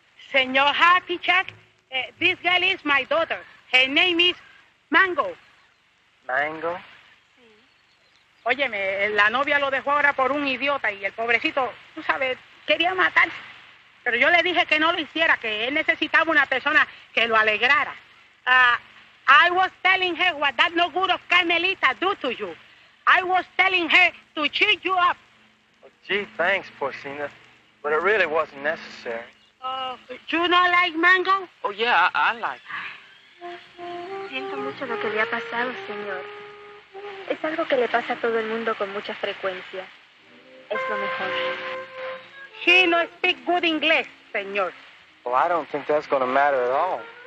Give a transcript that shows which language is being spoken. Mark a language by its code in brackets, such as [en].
[en] Senor Happy Jack, this girl is my daughter. Her name is Mango. Mango? [es] Sí. Óyeme, la novia lo dejó ahora por un idiota y el pobrecito, tú sabes, quería matar. Pero yo le dije que no lo hiciera, que él necesitaba una persona que lo alegrara. [en] I was telling her what that no good of Carmelita do to you. I was telling her to cheat you up. Oh, gee, thanks, Porcina. But it really wasn't necessary. You not like Mango? Oh, yeah, I like it. [es] Siento mucho lo que le ha pasado, señor. Es algo que le pasa a todo el mundo con mucha frecuencia. Es lo mejor. [en] She no speak good English, señor. Well, I don't think that's going to matter at all.